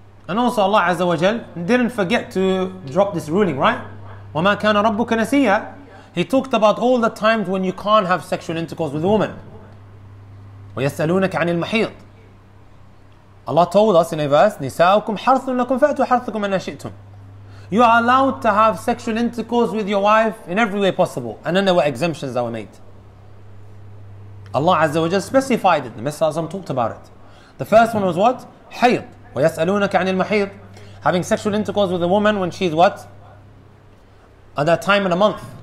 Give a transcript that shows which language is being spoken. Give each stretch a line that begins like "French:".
English: And also Allah Azza wa Jal didn't forget to drop this ruling, right?
Arabic: وَمَا كَانَ رَبُّكَ نَسِيَّا.
English: He talked about all the times when you can't have sexual intercourse with a woman.
Arabic: وَيَسْأَلُونَكَ عَنِ الْمَحِيطِ.
English: Allah told us in a verse,
Arabic: نِسَاءُكُمْ حَرْثٌ لَكُمْ فَأْتُوا حَرْثُكُمْ أَنَّا شِئْتُمْ.
English: You are allowed to have sexual intercourse with your wife in every way possible. And then there were exemptions that were made. Allah Azza wa Jalla specified it. The Messenger of Allah talked about it. The first one was what?
Arabic: حَيْض. وَيَسْأَلُونَكَ عَنِ الْمَحِيطِ.
English: Having sexual intercourse with a woman when she's what? At that time in a month.